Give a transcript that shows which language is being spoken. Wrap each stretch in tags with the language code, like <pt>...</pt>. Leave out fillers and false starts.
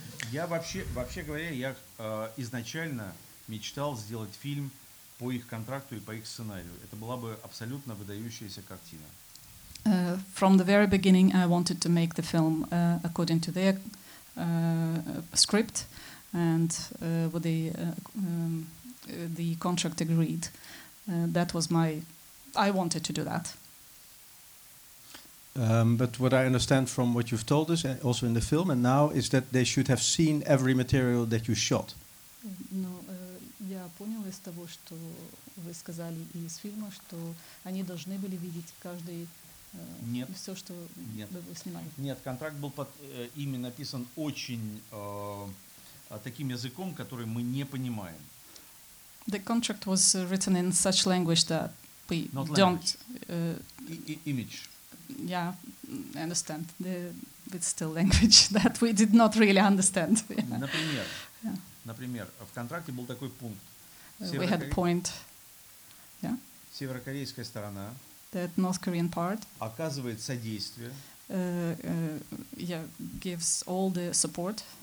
<ru>Я вообще говоря, я изначально мечтал сделать фильм по их контракту и по их сценарию. Это была бы абсолютно выдающаяся картина.</ru> <en>From the very beginning I wanted to make the film according to their script and with the contract agreed. That was my. I wanted to do that. But what I understand from what you've told us, also in the film and now, is that they should have seen every material that you shot. No,</en> <ru>я понял из того, что вы сказали из фильма, что они должны были видеть каждый. Нет. Все, что вы снимали. Нет, контракт был под ими написан очень таким языком, который мы не понимаем.</ru> <en>The contract was written in such language that we don't image. Yeah, I understand. It's still language that we did not really understand.</en> <ru>Например, например, в контракте был такой пункт.</ru> <en>We had a point. Yeah.</en> <ru>северокорейская сторона,</ru> <en>that North Korean part,</en> <ru>оказывает содействие,</ru> <en>gives all the support,</en>